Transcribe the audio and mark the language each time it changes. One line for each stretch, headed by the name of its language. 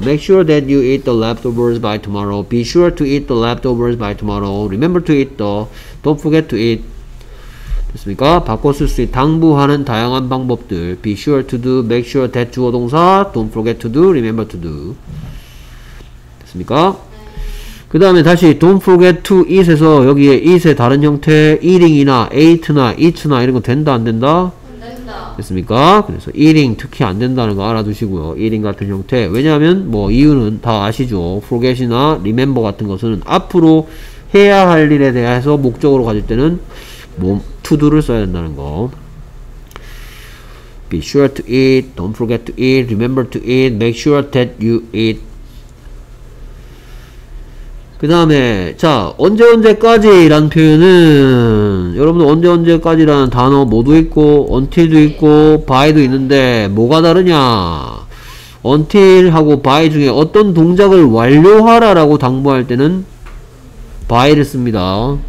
English: Make sure that you eat the leftovers by tomorrow. Be sure to eat the leftovers by tomorrow. Remember to eat the. Don't forget to eat.
Korean: 됐습니까? 바꿔 쓸 수 있는 당부하는 다양한 방법들.
English: Be sure to do. Make sure that 주어 동사. Don't forget to do. Remember to do.
Korean: 됐습니까? 그 다음에 다시
English: don't forget to eat
Korean: 에서 여기에 eat의 다른 형태 eating이나 ate나 eat나 이런 거 된다 안 된다? 됐습니까? 그래서 eating 특히 안 된다는 거 알아두시고요. eating 같은 형태. 왜냐하면 뭐 이유는 다 아시죠. forget이나 remember 같은 것은 앞으로 해야 할 일에 대해서 목적으로 가질 때는 뭐 to do를 써야 된다는 거.
English: be sure to eat, don't forget to eat, remember to eat, make sure that you eat.
Korean: 그 다음에 자 언제 언제까지 라는 표현은 여러분들 언제 언제까지 라는 단어 뭐도 있고 until도 있고 by도 있는데 뭐가 다르냐, until 하고 by 중에 어떤 동작을 완료하라 라고 당부할 때는 by를 씁니다.